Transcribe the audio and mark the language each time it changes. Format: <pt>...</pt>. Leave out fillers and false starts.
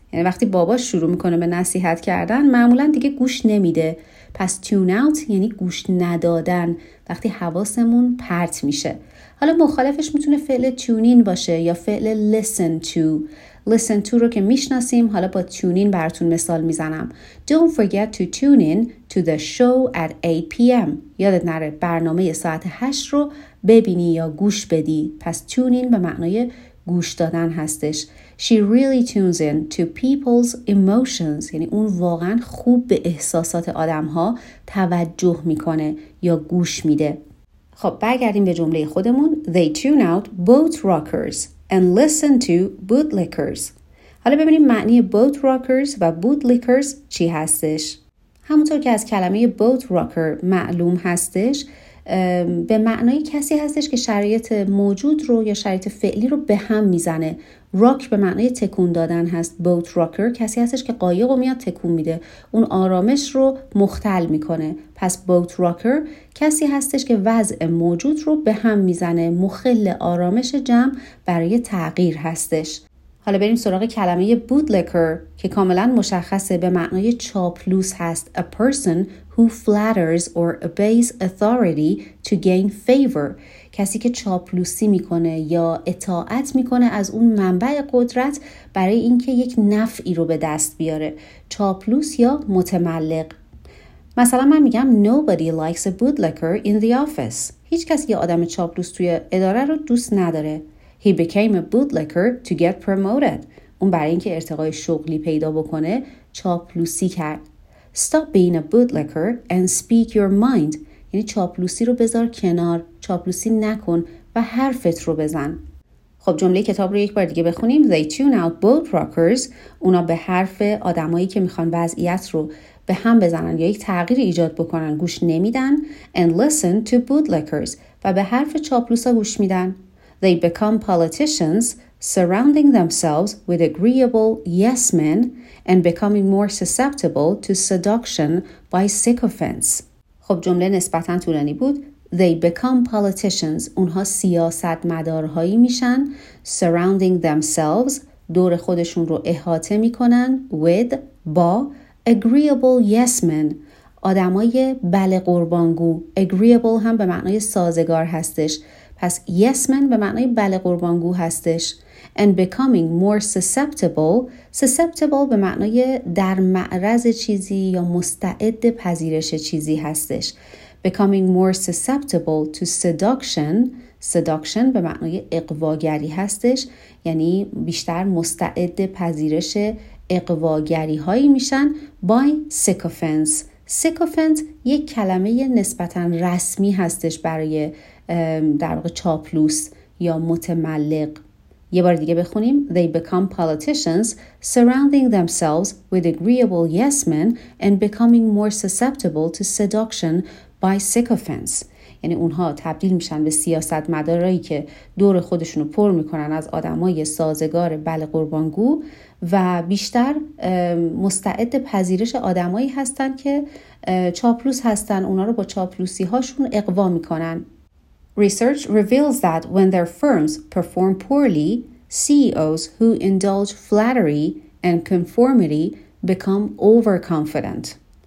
<fa>یعنی وقتی باباش شروع میکنه به نصیحت کردن معمولا دیگه گوش نمیده. پس tune out یعنی گوش ندادن، وقتی حواسمون پرت میشه. حالا مخالفش میتونه فعل tuning باشه یا فعل listen to. Listen to رو که میشناسیم، حالا با tuning براتون مثال میزنم.</fa> <en>Don't forget to tune in to the show at 8 p.m.</en> <fa>یادت نره برنامه ساعت 8 رو ببینی یا گوش بدی. پس tune in به معنای گوش دادن هستش.</fa> <en>She really tunes in to people's emotions.</en> <fa>یعنی اون واقعا خوب به احساسات آدم ها توجه میکنه یا گوش میده. خب برگردیم به جمله خودمون.</fa> <en>They tune out boat rockers and listen to bootlickers.</en> <fa>حالا ببینیم معنی boat rockers و bootlickers چی هستش. همونطور که از کلمه boat rocker معلوم هستش، به معنای کسی هستش که شرایط موجود رو یا شرایط فعلی رو به هم میزنه. rock به معنای تکون دادن هست. boat rocker کسی هستش که قایق رو میاد تکون میده، اون آرامش رو مختل میکنه. پس boat rocker کسی هستش که وضع موجود رو به هم میزنه، مخل آرامش جمع برای تغییر هستش. حالا بریم سراغ کلمه bootlicker که کاملا مشخصه، به معنای چاپلوس هست.</fa> <en>A person who flatters or obeys authority to gain favor.</en> <fa>کسی که چاپلوسی میکنه یا اطاعت میکنه از اون منبع قدرت برای اینکه یک نفعی رو به دست بیاره. چاپلوس یا متملق. مثلا من میگم</fa> <en>Nobody likes a bootlicker in the office.</en> <fa>هیچ کسی یه آدم چاپلوس توی اداره رو دوست نداره.</fa> <en>He became a bootlicker to get promoted.</en> <fa>اون برای اینکه ارتقای شغلی پیدا بکنه چاپلوسی کرد.</fa> <en>Stop being a bootlicker and speak your mind.</en> <fa>یعنی چاپلوسی رو بذار کنار، چاپلوسی نکن و حرفت رو بزن. خب جمله کتاب رو یک بار دیگه بخونیم.</fa> <en>They tune out boat rockers.</en> <fa>اونا به حرف آدمایی که میخوان وضعیت رو به هم بزنن یا یک تغییر ایجاد بکنن گوش نمیدن.</fa> <en>And listen to bootlickers.</en> <fa>و به حرف چاپلوسا گوش میدن.</fa> <en>They become politicians, surrounding themselves with agreeable yes men and becoming more susceptible to seduction by sycophants.</en> <fa>خب جمله نسبتاً طولانی بود.</fa> <en>They become politicians.</en> <fa>اونها سیاستمدارهایی میشن.</fa> <en>Surrounding themselves.</en> <fa>دور خودشون رو احاطه میکنن.</fa> <en>With. با. Agreeable yes men.</en> <fa>آدمای بله قربانگو. Agreeable هم به معنای سازگار هستش. پس yes man به معنای بله قربانگو هستش.</fa> <en>And becoming more susceptible.</en> <fa>Susceptible به معنای در معرض چیزی یا مستعد پذیرش چیزی هستش.</fa> <en>Becoming more susceptible to seduction.</en> <fa>Seduction به معنای اقواگری هستش. یعنی بیشتر مستعد پذیرش اقواگری هایی میشن.</fa> <en>By sycophants.</en> <fa>Sycophant یک کلمه نسبتاً رسمی هستش برای در واقع چاپلوس یا متملق. یه بار دیگه بخونیم.</fa> <en>They become politicians, surrounding themselves with agreeable yes men and becoming more susceptible to seduction by sycophants.</en> <fa>یعنی اونها تبدیل میشن به سیاست مدارایی که دور خودشونو پر میکنن از آدم های سازگار بله قربانگو و بیشتر مستعد پذیرش آدم هایی هستن که چاپلوس هستن، اونا رو با چاپلوسی هاشون اقوا میکنن.</fa> <en>Research reveals that when their firms perform poorly, CEOs who indulge flattery and conformity become overconfident.</en>